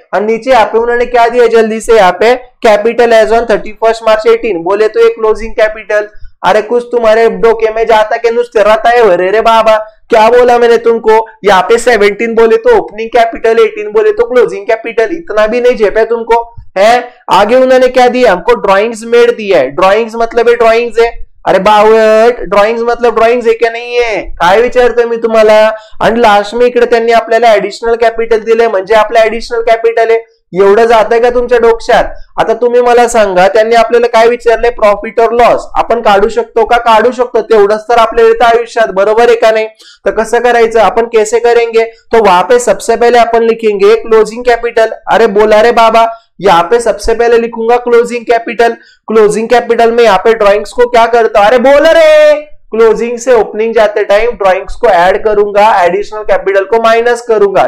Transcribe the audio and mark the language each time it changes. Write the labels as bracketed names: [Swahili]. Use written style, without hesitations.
[Hindi] और नीचे यहाँ पे उन्होंने क्या दिया जल्दी से, यहाँ पे कैपिटल एज ऑन 31 मार्च 18 बोले तो ये क्लोजिंग कैपिटल, अरे कुछ तुम्हारे डोके में जाता के नुस्ते रहता है, अरे रे बाबा क्या बोला मैंने तुमको, यहाँ पे 17 बोले तो ओपनिंग कैपिटल, 18 बोले तो क्लोजिंग कैपिटल, इतना भी नहीं झेपे तुमको है? आगे उन्होंने क्या दिया हमको, ड्रॉइंग्स मेड दिया है, ड्रॉइंग्स मतलब ड्रॉइंग्स है, अरे बावट ड्रॉइंग्स मतलब ड्रॉइंग्स है क्या नहीं है, [Marathi] काय विचारतो मी तुम्हाला? आणि लास्ट में इकडे त्यांनी आपल्याला ऍडिशनल कॅपिटल दिले, म्हणजे आपलं ऍडिशनल कॅपिटल आहे, एवढं जातंय का तुमच्या डोक्यात? आता तुम्ही मला सांगा, त्यांनी आपल्याला काय विचारलंय, प्रॉफिट और लॉस आपण काढू शकतो का? काढू शकतो, तेवढंच तर आपल्या येतं आयुष्यात, बरोबर आहे का नाही? तर कसं करायचं, [Hindi] आपण कैसे करेंगे, तो वहां पे सबसे पहले आपण लिखेंगे क्लोजिंग कॅपिटल, अरे बोला रे बाबा, यहाँ पे सबसे पहले लिखूंगा क्लोजिंग कैपिटल, क्लोजिंग कैपिटल में यहाँ पे ड्रॉइंग्स को क्या करता, अरे बोल रहे क्लोजिंग से ओपनिंग जाते टाइम ड्रॉइंग्स को ऐड करूंगा, एडिशनल कैपिटल को माइनस करूंगा।